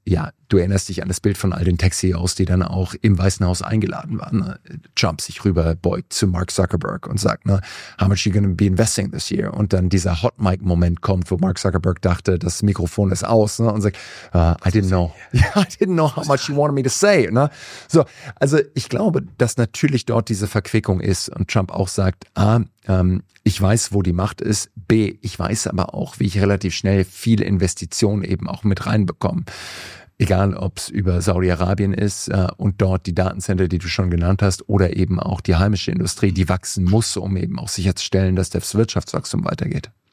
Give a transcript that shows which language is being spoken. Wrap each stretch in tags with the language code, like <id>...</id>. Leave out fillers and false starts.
<de>Ja, du erinnerst dich an das Bild von all den Tech-CEOs, die dann auch im Weißen Haus eingeladen waren. Trump sich rüberbeugt zu Mark Zuckerberg und sagt, ne,</de> <en>how much are you going to be investing this year?</en> <de>Und dann dieser Hot-Mic-Moment kommt, wo Mark Zuckerberg dachte, das Mikrofon ist aus, ne, und sagt,</de> <en>I didn't know. Yeah, I didn't know how much you wanted me to say.</en> <de>Ne? So, also ich glaube, dass natürlich dort diese Verquickung ist und Trump auch sagt, A, ich weiß, wo die Macht ist. B, ich weiß aber auch, wie ich relativ schnell viele Investitionen eben auch mit reinbekomme. Egal, ob es über Saudi-Arabien ist und dort die Datencenter, die du schon genannt hast, oder eben auch die heimische Industrie, die wachsen muss, um eben auch sicherzustellen, dass das Wirtschaftswachstum weitergeht.</de>